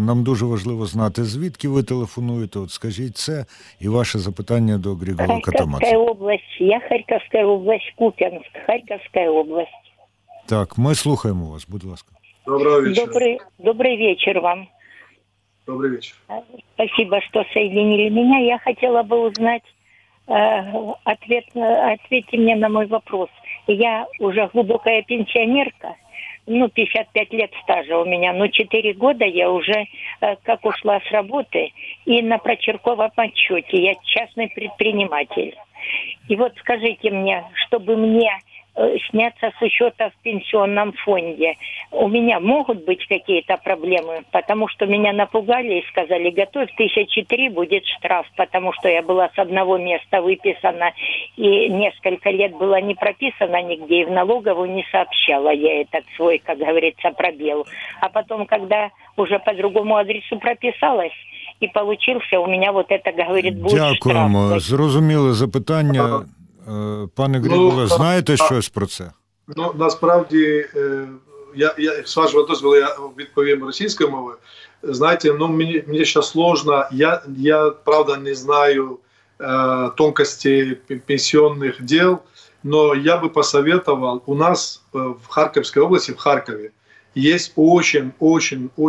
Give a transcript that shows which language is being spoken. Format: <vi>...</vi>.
<uk>Нам дуже важливо знати, звідки ви телефонуєте. От скажіть це і ваше запитання до Грігуле Катамаса. Харківська область. Я Харківська область, Куп'янськ, Харківська область. Так, ми слухаємо вас, будь ласка. Доброго вечора. Добрий вечір вам. Добрий вечір.</uk> <ru>Спасибо, що соединили мене. Я</ru> <uk>хотіла би</uk> <ru>узнати, ответьте мне на мой вопрос. Я уже глубокая пенсионерка, ну, 55 лет стажа у меня, но 4 года я уже как ушла с работы и на прочерковом отчете. Я частный предприниматель. И вот скажите мне, чтобы мне сняться с учета в пенсионном фонде, у меня могут быть какие-то проблемы, потому что меня напугали и сказали, готовь, 1003 будет штраф, потому что я была с одного места выписана и несколько лет была не прописана нигде, и в налоговую не сообщала я этот свой, как говорится, пробел. А потом, когда уже по другому адресу прописалась, и получился, у меня вот это, говорит, будет штраф.</ru> <uk>Дякуємо, зрозуміло запитання. Пане Грігуле, ну, знаєте щось про це? Ну, насправді, з вашого дозволу, я відповім російською мовою. Знаєте, ну, мені ще сложно, я правда, не знаю тонкості пенсійних діл, але я би посоветував, у нас в Харківській області, в Харкові, є дуже-дуже</uk>